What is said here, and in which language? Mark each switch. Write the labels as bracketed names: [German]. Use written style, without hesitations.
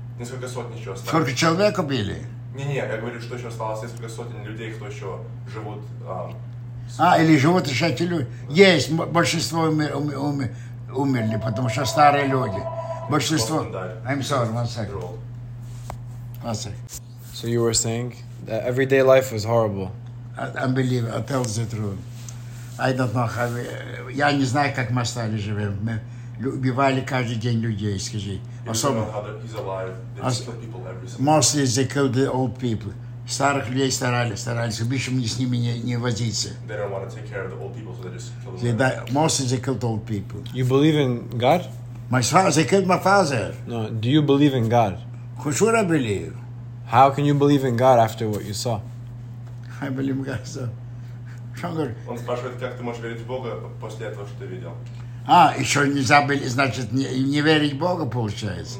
[Russian] Несколько сотни еще осталось. Сколько человек убили? Не, я говорю, что еще осталось несколько сотен людей, кто еще живут... Или живут еще эти люди. Есть, большинство умерли, потому что старые люди. Большинство... [English] I'm sorry, 1 second. 1 second. So you were saying that everyday life was horrible. I believe, I tell the truth. I don't know how. [Russian] Я не знаю, как мы стали живем. Мы убивали каждый день людей, скажи. Особо. [English] He's alive. They kill people every single day. Mostly they kill the old people. [Russian] Старых людей старались, чтобы еще мне с ними не возиться. [English] They don't want to take care of the old people, so they just kill them. Mostly they killed old people. You believe in God? My father, they killed my father. No, do you believe in God? Who should I believe? How can you believe in God after what you saw? I believe in God, so. Шангар. [Russian] Он спрашивает, как ты можешь верить в Бога после этого, что ты видел? А, еще не забыли, значит, не верить в Бога, получается.